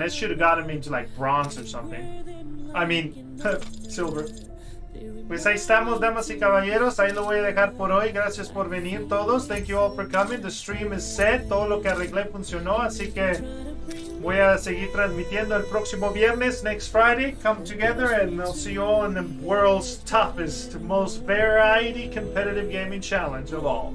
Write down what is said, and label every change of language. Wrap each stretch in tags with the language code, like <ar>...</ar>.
<en>This should have gotten me to, like, bronze or something. I mean, silver.</en> <es>Pues ahí estamos, damas y caballeros. Ahí lo voy a dejar por hoy. Gracias por venir todos.</es> <en>Thank you all for coming. The stream is set.</en> <es>Todo lo que arreglé funcionó. Así que voy a seguir transmitiendo el próximo viernes.</es> <en>Next Friday, come together and I'll see you all in the world's toughest, most variety competitive gaming challenge of all.</en>